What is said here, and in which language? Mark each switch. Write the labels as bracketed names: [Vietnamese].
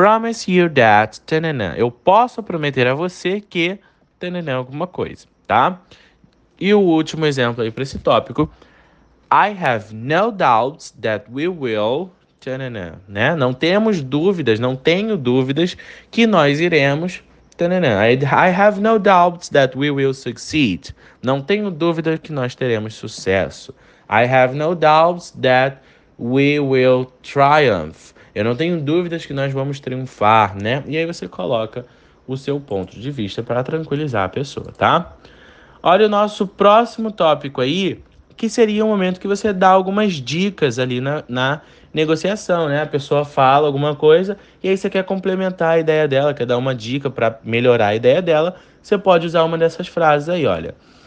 [English] I can promise you that. [Portuguese] Eu posso prometer a você que tanana, alguma coisa, tá? E o último exemplo aí para esse tópico. [English] I have no doubts that we will. [Portuguese] Tanana, né? Não temos dúvidas, não tenho dúvidas que nós iremos. Tanana. [English] I have no doubts that we will succeed. [Portuguese] Não tenho dúvida que nós teremos sucesso. [English] I have no doubts that we will triumph. [Portuguese] Eu não tenho dúvidas que nós vamos triunfar, né? E aí você coloca o seu ponto de vista para tranquilizar a pessoa, tá? Olha o nosso próximo tópico aí, que seria o momento que você dá algumas dicas ali na negociação, né? A pessoa fala alguma coisa e aí você quer complementar a ideia dela, quer dar uma dica para melhorar a ideia dela, você pode usar uma dessas frases aí, olha.